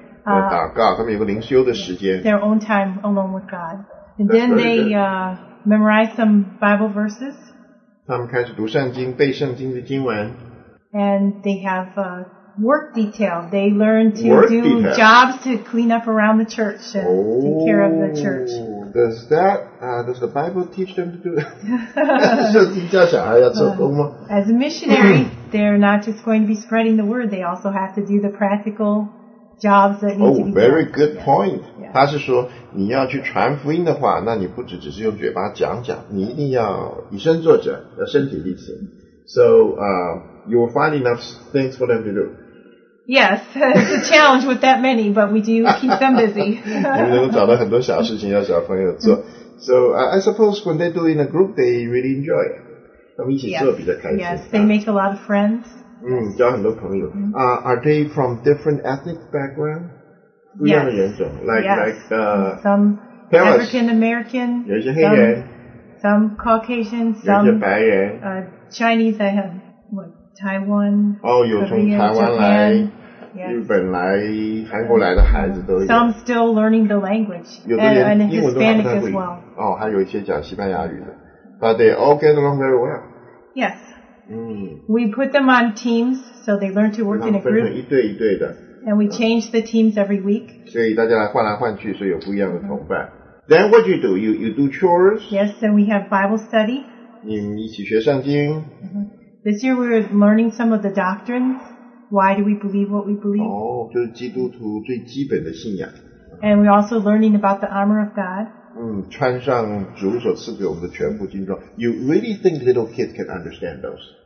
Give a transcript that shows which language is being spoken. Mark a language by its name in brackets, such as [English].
[Chinese] 祷告，他们有个灵修的时间。 [English] Their own time alone with God. And then they, memorize some Bible verses. [Chinese] 他们开始读圣经，背圣经的经文。 [English] And they have, work detail. They learn to do jobs to clean up around the church and take care of the church. Does the Bible teach them to do that? [Chinese] 教小孩要做工吗? [English] As a missionary, they're not just going to be spreading the word. They also have to do the practical jobs that need to be done. Oh, very good point. [Chinese] 他是说你要去传福音的话，那你不只是用嘴巴讲讲，你一定要以身作则，要身体力行。 [English] So, you will find enough things for them to do. Yes, it's a challenge with that many, but we do keep them busy. [Chinese] 你们能够找到很多小事情要小朋友做。 [English] So, I suppose when they do in a group, they really enjoy it. [Chinese] 他们一起做比较开心。 [English] Yes, they make a lot of friends. [Chinese] 嗯，交很多朋友。 [English] Are they from different ethnic background? Yes. [Chinese] 不一样的人种 like [English] some African American. [Chinese] 有一些黑人。 [English] Some Caucasian, some Chinese, I have Taiwan, Korean, Japan, some still learning the language, and Hispanic as well. Oh, [Chinese] 还有一些讲西班牙语的 [English] but they all get along very well. Yes. We put them on teams, so they learn to work in a group. [Chinese] 一对一对的 [English] And we change the teams every week. [Chinese] 所以大家换来换去，所以有不一样的同伴。 [English] Then what you do? You do chores? Yes, and we have Bible study. [Chinese] 你们一起学圣经。 [English] This year we're learning some of the doctrines. Why do we believe what we believe? [Chinese] 哦，就是基督徒最基本的信仰。 [English] And we're also learning about the armor of God. [Chinese] 穿上主所赐给我们的全副军装。 [English] You really think little kids can understand those?